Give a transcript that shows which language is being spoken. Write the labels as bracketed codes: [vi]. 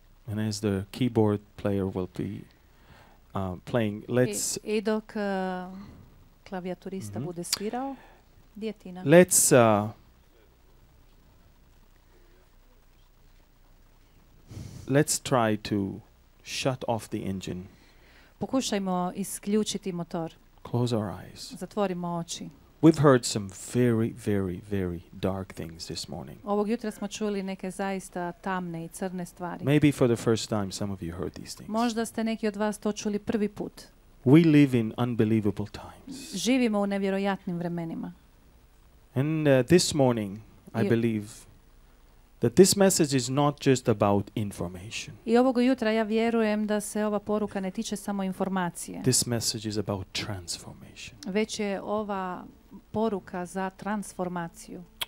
[en] And as the keyboard player will be playing, let's [hr] I dok klavijaturista bude svirao, djetina. [en] Let's let's try to shut off the engine. [hr] Pokušajmo isključiti motor. [en] Close our eyes. [hr] Zatvorimo oči. [en] We've heard some very, very, very dark things this morning. [hr] Ovog jutra smo čuli neke zaista tamne i crne stvari. [en] Maybe for the first time some of you heard these things. [hr] Možda ste neki od vas to čuli prvi put. [en] We live in unbelievable times. [hr] Živimo u nevjerojatnim vremenima. [en] And this morning, I believe that this message is not just about information. [hr] I ovog jutra ja vjerujem da se ova poruka ne tiče samo informacije. [en] This message is about transformation. [hr] Već je ova poruka za transformaciju.